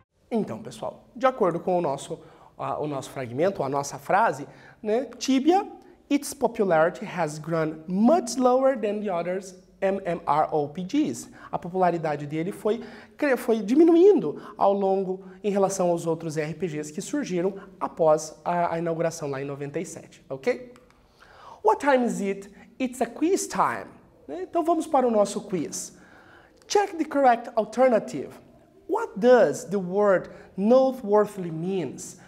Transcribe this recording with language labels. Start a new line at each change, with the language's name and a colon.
Portuguese: Então, pessoal, de acordo com o nosso fragmento, a nossa frase, né?
English: Tibia, its popularity has grown much lower than the others MMORPGs.
Portuguese: A popularidade dele foi diminuindo ao longo em relação aos outros RPGs que surgiram após a inauguração lá em 97, ok?
English: What time is it? It's a quiz time.
Portuguese: Então vamos para o nosso quiz.
English: Check the correct alternative. What does the word noteworthy means?